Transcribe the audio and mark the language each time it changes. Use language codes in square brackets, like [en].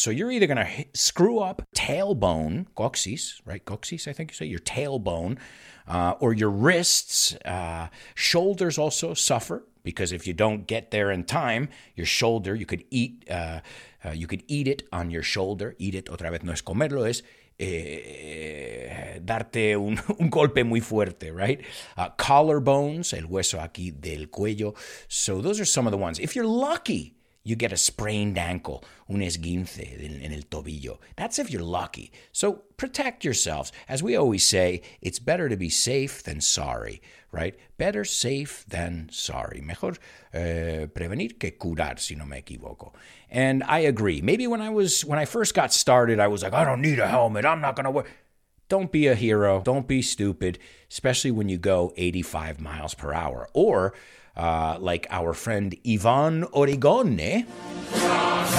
[en] So you're either going to screw up tailbone, coxis, right? Coxis, I think you say, your tailbone, or your wrists. Shoulders also suffer, because if you don't get there in time, your shoulder, you could eat it on your shoulder. [es] Eat it otra vez no es comerlo, es darte un golpe muy fuerte, right? [en] Collarbones, [es] el hueso aquí del cuello. [en] So those are some of the ones. If you're lucky, you get a sprained ankle, [es] un esguince en el tobillo. [en] That's if you're lucky. So protect yourselves. As we always say, it's better to be safe than sorry, right? Better safe than sorry. [es] Mejor prevenir que curar, si no me equivoco. [en] And I agree. Maybe when I first got started, I was like, I don't need a helmet. I'm not going to wear. Don't be a hero. Don't be stupid, especially when you go 85 miles per hour. Or like our friend Ivan Origone.